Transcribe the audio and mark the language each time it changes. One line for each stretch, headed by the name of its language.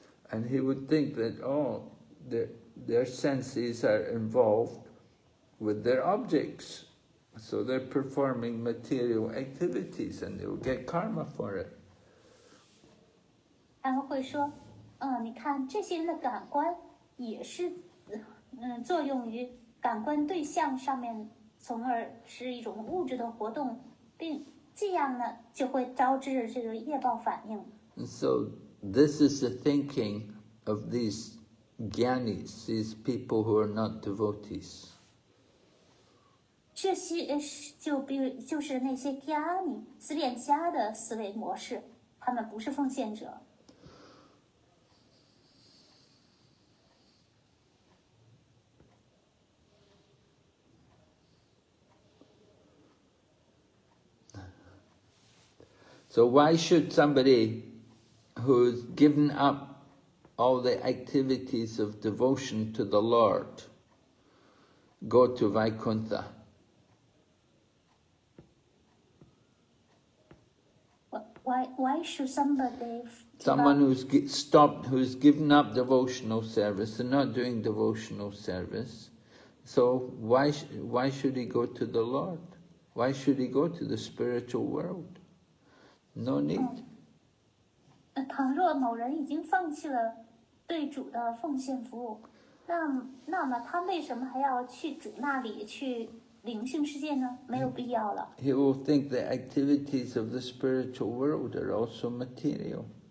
English: And he would think that, oh, their senses are involved with their objects. So they're performing material activities and they will get karma for it.
Chinese: 他们会说，你看这些人的感官也是，作用于感官对象上面，从而是一种物质的活动，并这样呢，就会招致这个业报反应。
English: So this is the thinking of these jnanis, these people who are not devotees.
Chinese: 就是那些 jnani, 思辨家的思维模式, 他们不是奉献者。
English: So why should somebody who's given up all the activities of devotion to the Lord go to Vaikuntha? Why should somebody... Someone who's stopped, who's given up devotional service, they're not doing devotional service. So why should he go to the Lord? Why should he go to the spiritual world? No need.
Chinese: 倘若某人已经放弃了对主的奉献服务，那么他为什么还要去主那里去灵性世界呢？没有必要了。
English: He will think the activities of the spiritual world are also material.